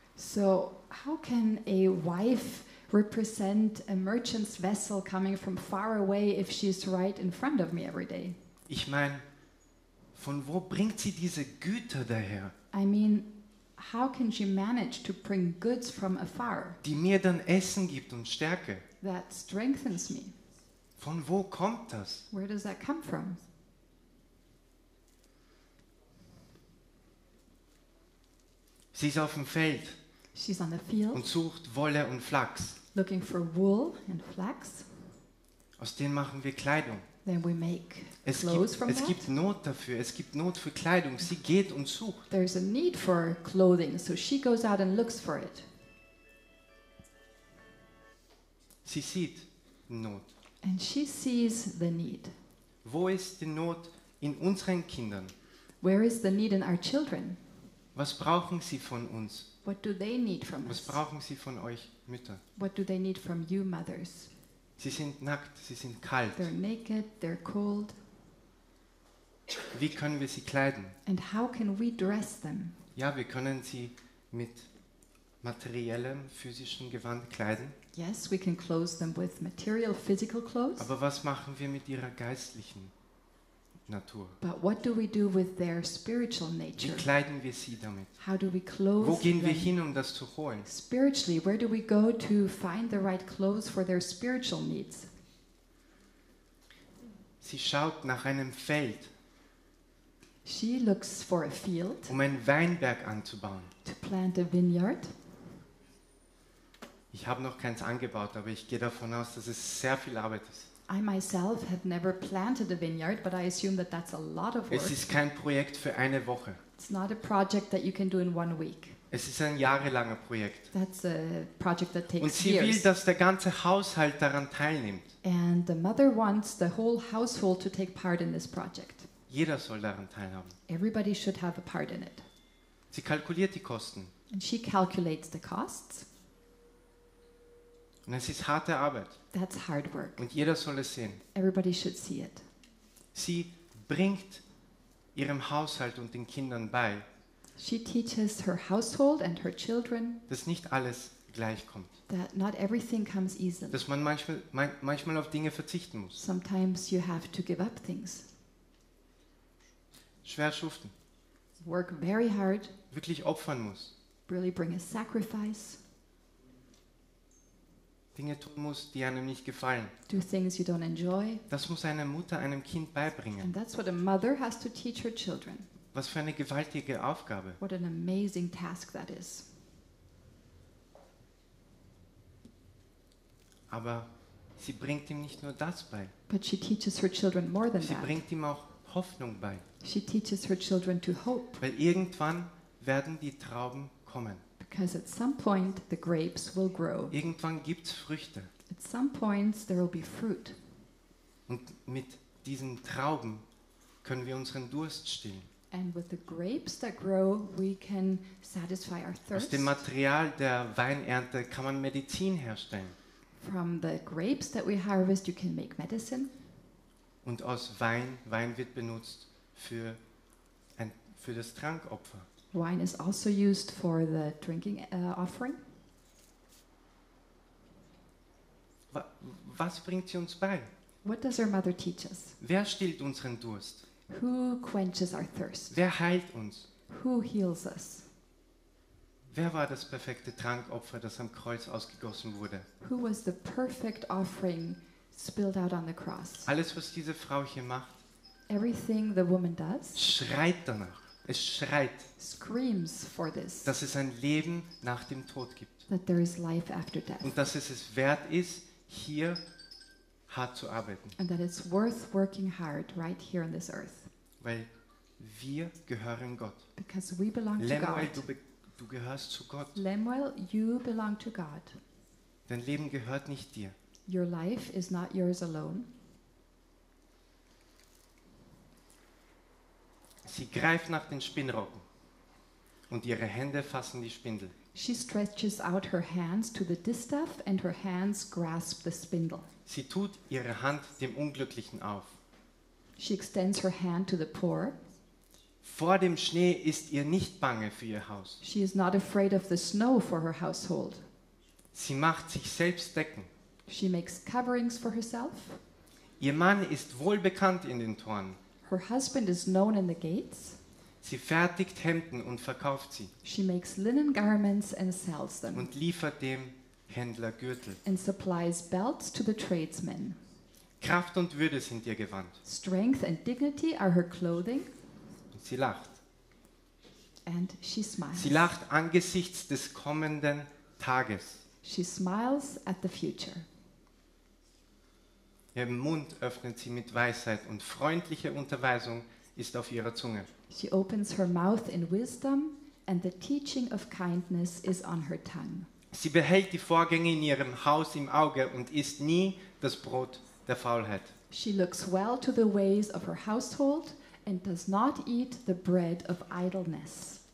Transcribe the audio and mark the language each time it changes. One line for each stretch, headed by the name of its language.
English: So how can a wife represent a merchant's vessel coming from far away if she's right in front of me every day?
German: Ich meine, von wo bringt sie diese Güter daher?
English: I mean, how can she manage to bring goods from afar?
German: Die mir dann Essen gibt und Stärke.
English: That strengthens me.
German: Von wo kommt das?
English: Where does that come from?
German: Sie ist auf dem Feld.
English: She's on the field.
German: Und sucht Wolle und Flachs.
English: Looking for wool and flax.
German: Aus denen machen wir Kleidung.
English: Then we make clothes from that.
German: Es gibt Not dafür. Es gibt Not für Kleidung. Sie geht und sucht.
English: There's a need for clothing, so she goes out and looks for it.
German: Sie sieht Not.
English: And she sees the need.
German: Wo ist die Not in unseren Kindern?
English: Where is the need in our children?
German: Was brauchen sie von uns?
English: What do they need from us?
German: Was brauchen sie von euch Mütter?
English: What do they need from you mothers?
German: Sie sind nackt, sie sind kalt.
English: They're naked, they're cold.
German: Wie können wir sie kleiden?
English: And how can we dress them?
German: Ja, wir können sie mit materiellem, physischem Gewand kleiden.
English: Yes, we can clothe them with material, physical clothes.
German: Aber was machen wir mit ihrer geistlichen Natur?
English: But what do we do with their spiritual nature?
German: Wie kleiden wir sie damit?
English: How do we clothe them?
German: Wo gehen wir hin, um das zu holen?
English: Spiritually, where do we go to find the right clothes for their spiritual needs?
German: Sie schaut nach einem Feld.
English: She looks for a field.
German: Um einen Weinberg anzubauen.
English: To plant a vineyard.
German: Ich habe noch keins angebaut, aber ich gehe davon aus, dass es sehr viel Arbeit ist.
English: I myself have never planted a vineyard, but I assume that that's a lot of work.
German: Es ist kein Projekt für eine Woche.
English: It's not a project that you can do in one week.
German: Es ist ein jahrelanger Projekt.
English: That's a project that takes
German: Und sie
English: years.
German: Will, dass der ganze Haushalt daran teilnimmt.
English: And the mother wants the whole household to take part in this project.
German: Jeder soll daran teilhaben.
English: Everybody should have a part in it.
German: Sie kalkuliert die Kosten.
English: And she calculates the costs.
German: Und es ist harte Arbeit.
English: That's hard work.
German: Und jeder soll es sehen.
English: Everybody should see it.
German: Sie bringt ihrem Haushalt und den Kindern bei,
English: she teaches her household and her children,
German: dass nicht alles gleich kommt.
English: That not everything comes easily.
German: Dass man manchmal auf Dinge verzichten muss.
English: Sometimes you have to give up things.
German: Schwer schuften.
English: Work very hard.
German: Wirklich opfern muss.
English: Really bring a sacrifice.
German: Dinge tun muss, die einem nicht gefallen.
English: Do things you don't enjoy.
German: Das muss eine Mutter einem Kind beibringen.
English: And that's what a mother has to teach her children.
German: Was für eine gewaltige Aufgabe.
English: What an amazing task that is.
German: Aber sie bringt ihm nicht nur das bei.
English: But she teaches her children more than
German: sie
English: that.
German: Sie bringt ihm auch Hoffnung bei.
English: She teaches her children to hope.
German: Weil irgendwann werden die Trauben kommen.
English: Because at some point the grapes will grow.
German: Irgendwann gibt's Früchte.
English: At some points there will be fruit.
German: Und mit diesen Trauben können wir unseren Durst stillen.
English: And with the grapes that grow, we can satisfy our thirst.
German: Aus dem Material der Weinernte kann man Medizin herstellen.
English: From the grapes that we harvest, you can make medicine.
German: Und aus Wein wird benutzt für das Trankopfer.
English: Wine is also used for the drinking offering.
German: Was bringt sie uns bei?
English: What does our mother teach us?
German: Wer stillt unseren Durst?
English: Who quenches our thirst?
German: Wer heilt uns?
English: Who heals us?
German: Wer war das perfekte Trankopfer, das am Kreuz ausgegossen wurde?
English: Who was the perfect offering spilled out on the cross?
German: Alles, was diese Frau hier macht,
English: everything the woman does,
German: schreit danach. Es schreit,
English: screams for this,
German: dass es ein Leben nach dem Tod gibt.
English: That there is life after death.
German: Und dass es wert ist, hier hart zu arbeiten.
English: And that it's worth working hard right here on this earth.
German: Weil wir gehören Gott.
English: Because we belong Lemuel, to God.
German: Du gehörst zu Gott.
English: Lemuel, you belong to God.
German: Dein Leben gehört nicht dir.
English: Your life is not yours alone.
German: Sie greift nach den Spinnrocken und ihre Hände fassen die Spindel.
English: She stretches out her hands to the distaff and her hands grasp the spindle.
German: Sie tut ihre Hand dem Unglücklichen auf.
English: She extends her hand to the poor.
German: Vor dem Schnee ist ihr nicht bange für ihr Haus.
English: She is not afraid of the snow for her household.
German: Sie macht sich selbst Decken.
English: She makes coverings for herself.
German: Ihr Mann ist wohl bekannt in den Toren.
English: Her husband is known in the gates.
German: Sie fertigt Hemden und verkauft sie.
English: She makes linen garments and sells them.
German: Und liefert dem Händler Gürtel.
English: And supplies belts to the tradesmen.
German: Kraft und Würde sind ihr Gewand.
English: Strength and dignity are her clothing.
German: Und sie lacht.
English: And she smiles.
German: Sie lacht angesichts des kommenden Tages.
English: She smiles at the future.
German: Ihr Mund öffnet sie mit Weisheit und freundliche Unterweisung ist auf ihrer Zunge.
English: She opens her mouth in wisdom and the teaching of kindness is on her tongue.
German: Sie behält die Vorgänge in ihrem Haus im Auge und isst nie das Brot der Faulheit.
English: She looks well to the ways of her household and does not eat the bread of idleness.